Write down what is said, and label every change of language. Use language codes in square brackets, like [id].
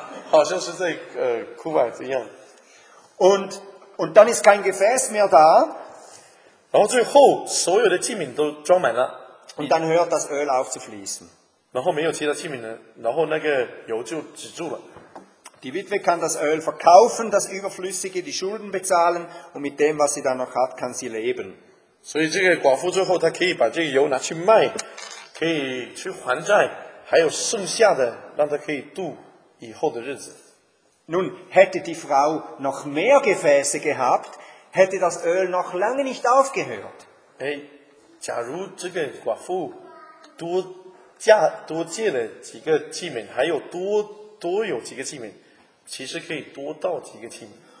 [zh] 好像是在Kuwait 一样。 [de] Und dann ist kein Gefäß mehr da. [zh] 然后最后所有的器皿都装满了。 [de] Und dann hört das Öl auf zu fließen. [zh] 然后没有其他器皿了，然后那个油就止住了。 [de] Die Witwe kann das Öl verkaufen, das Überflüssige, die Schulden bezahlen und mit dem, was sie dann noch hat, kann sie leben. [zh] 所以这个寡妇最后她可以把这个油拿去卖，可以去还债，还有剩下的，让她可以度以后的日子。 [de] Nun hätte die Frau noch mehr Gefäße gehabt, hätte das Öl noch lange nicht aufgehört. [zh] 哎，假如这个寡妇多借了几个器皿，还有多有几个器皿，其实可以多倒几个器皿。